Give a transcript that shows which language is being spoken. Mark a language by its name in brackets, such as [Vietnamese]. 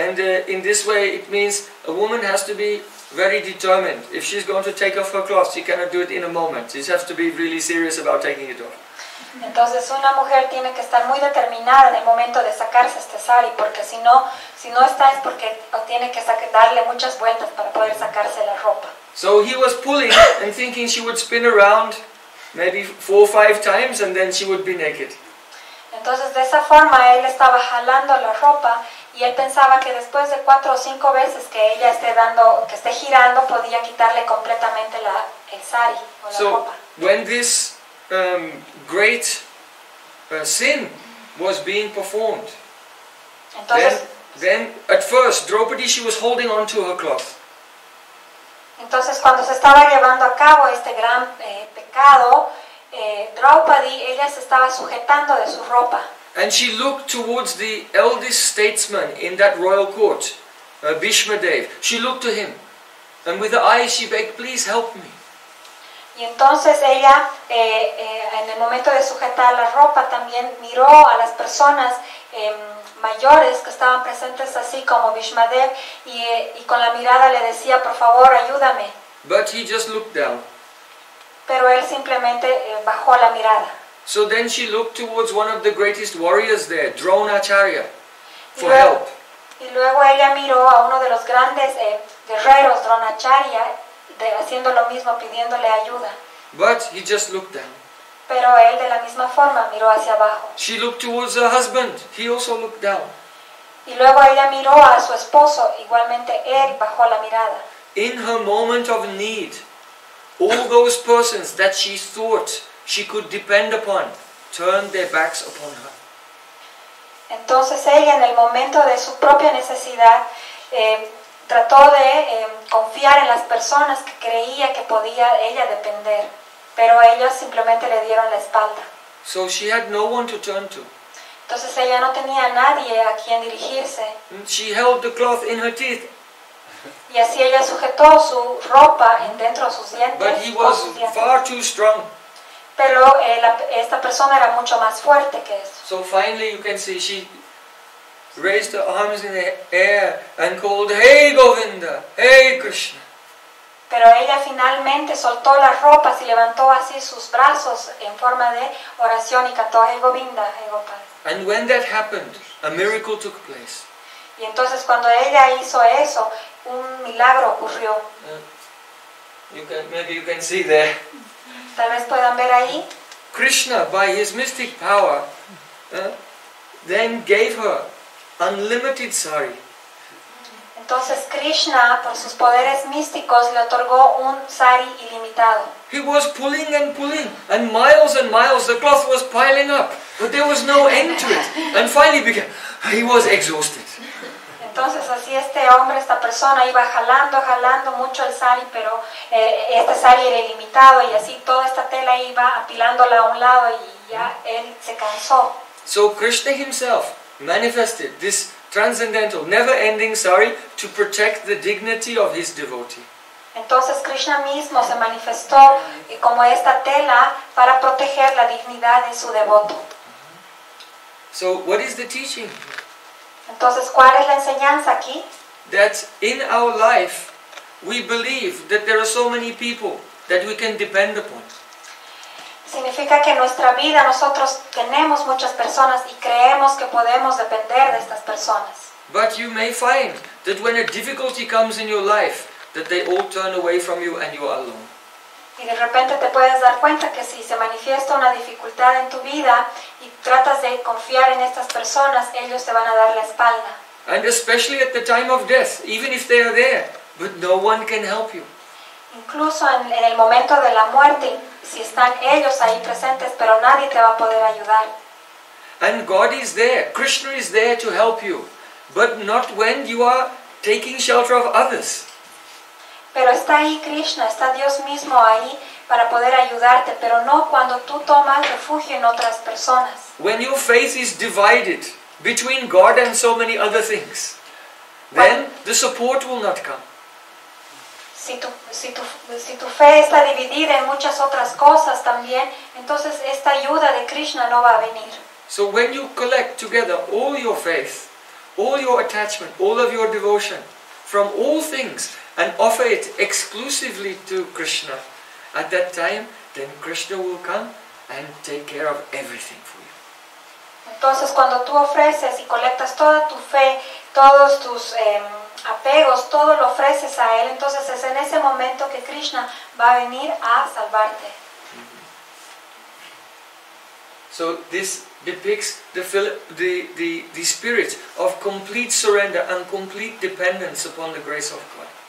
[English] And in this way it means a woman has to be very determined. If she's going to take off her clothes, she cannot do it in a moment. She has to be really serious about taking it off. [Spanish] Entonces una mujer tiene que estar muy determinada en el momento de sacarse este sari, porque si no está es porque tiene que darle muchas vueltas para poder sacarse la ropa. [English] So he was pulling and thinking she would spin around maybe 4 or 5 times and then she would be naked. [Spanish] Entonces de esa forma él estaba jalando la ropa y él pensaba que después de 4 or 5 veces que ella esté girando podía quitarle completamente el sari o la ropa. [English] So when this great sin was being performed, [Spanish] entonces, [English] then at first Draupadi, she was holding on to her cloth. [Spanish] Entonces cuando se estaba llevando a cabo este gran pecado, Draupadi, ella se estaba sujetando de su ropa. [English] And she looked towards the eldest statesman in that royal court, Bhishma Dev. She looked to him, and with her eyes she begged, "Please help me." [Spanish] Y entonces ella, en el momento de sujetar la ropa, también miró a las personas mayores que estaban presentes, así como Bhishma Dev, y con la mirada le decía, "Por favor, ayúdame." [English] But he just looked down. [Spanish] Pero él simplemente bajó la mirada. [English] So then she looked towards one of the greatest warriors there, Dronacharya, for help. [Spanish] Y luego ella miró a uno de los grandes guerreros, Dronacharya, haciendo lo mismo, pidiéndole ayuda. [English] But he just looked down. [Spanish] Pero él de la misma forma miró hacia abajo. [English] She looked towards her husband. He also looked down. [Spanish] Y luego ella miró a su esposo. Igualmente él bajó la mirada. [English] In her moment of need, all those persons that she thought she could depend upon turned their backs upon her. [Spanish] Entonces ella en el momento de su propia necesidad trató de confiar en las personas que creía que podía ella depender, pero ellos simplemente le dieron la espalda. [English] So she had no one to turn to. [Spanish] Entonces ella no tenía nadie a quien dirigirse. [English] She held the cloth in her teeth. [Spanish] Y así ella sujetó su ropa dentro de sus dientes. [English] But he was far too strong. [Spanish] Pero esta persona era mucho más fuerte que eso. [English] So finally you can see she raised her arms in the air and called, "Hey Govinda, hey Krishna." [Spanish] Pero ella finalmente soltó las ropas y levantó así sus brazos en forma de oración y cantó, "Hey Govinda, hey Gopal." [English] And when that happened, a miracle took place. [Spanish] Y entonces cuando ella hizo eso, un milagro ocurrió. [English] Maybe you can see there. [Spanish] Tal vez puedan ver ahí. [English] Krishna, by his mystic power, then gave her unlimited sari. [Spanish] Entonces Krishna, por sus poderes místicos, le otorgó un sari ilimitado. [English] He was pulling and pulling, and miles, the cloth was piling up, but there was no end to it. And finally, he was exhausted. [Spanish] Entonces así este hombre, esta persona, iba jalando mucho el sari, pero este sari era ilimitado, y así toda esta tela iba apilándola a un lado, y ya él se cansó. [English] So Krishna himself manifested this transcendental, never ending, sorry, to protect the dignity of his devotee. [Spanish] Entonces Krishna mismo se manifestó como esta tela para proteger la dignidad de su devoto. [English] So what is the teaching? [Spanish] Entonces, ¿cuál es la enseñanza aquí? [English] That in our life we believe that there are so many people that we can depend upon. [Spanish] Significa que en nuestra vida nosotros tenemos muchas personas y creemos que podemos depender de estas personas. [English] But you may find that when a difficulty comes in your life, that they all turn away from you and you are alone. [Spanish] Y de repente te puedes dar cuenta que si se manifiesta una dificultad en tu vida y tratas de confiar en estas personas, ellos te van a dar la espalda. [English] And especially at the time of death, even if they are there, but no one can help you. [Spanish] Incluso en el momento de la muerte, si están ellos ahí presentes, pero nadie te va a poder ayudar. [English] And God is there, Krishna is there to help you, but not when you are taking shelter of others. [Spanish] Pero está ahí Krishna, está Dios mismo ahí para poder ayudarte, pero no cuando tú tomas refugio en otras personas. [English] When your faith is divided between God and so many other things, then the support will not come. [Spanish] Si tu fe está dividida en muchas otras cosas también, entonces esta ayuda de Krishna no va a venir. [English] So when you collect together all your faith, all your attachment, all of your devotion from all things and offer it exclusively to Krishna, at that time, then Krishna will come and take care of everything for you. [Spanish] Entonces, cuando tú ofreces y colectas toda tu fe, todos tus apegos, todo lo ofreces a Él, entonces es en ese momento que Krishna va a venir a salvarte. Mm-hmm. [English] So, this depicts the spirit of complete surrender and complete dependence upon the grace of God.